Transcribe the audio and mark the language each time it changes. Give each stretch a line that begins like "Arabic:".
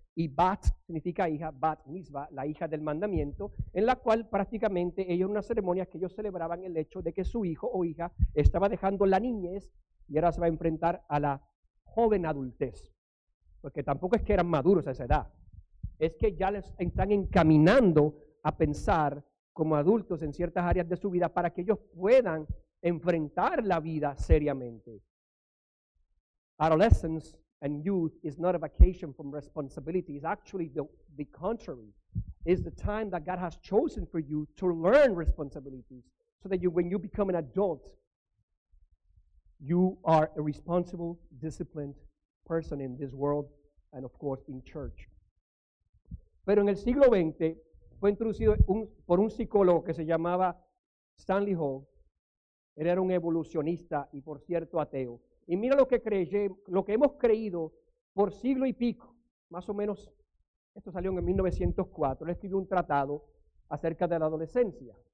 Spanish: Y bat significa hija, bat mitzvah, la hija del mandamiento, en la cual prácticamente ellos una ceremonia que ellos celebraban el hecho de que su hijo o hija estaba dejando la niñez y ahora se va a enfrentar a la joven adultez. Porque tampoco es que eran maduros a esa edad, es que ya les están encaminando a pensar como adultos en ciertas áreas de su vida para que ellos puedan enfrentar la vida seriamente.
English: Adolescence and youth is not a vacation from responsibility. It's actually the contrary. It's the time that God has chosen for you to learn responsibilities so that you, when you become an adult, you are a responsible, disciplined person in this world and, of course, in church.
Spanish: Pero en el siglo XX fue introducido por un psicólogo que se llamaba Stanley Hall. Él era un evolucionista y, por cierto, ateo. Y mira lo que hemos creído por siglo y pico, más o menos, esto salió en 1904, él escribió un tratado acerca de la adolescencia.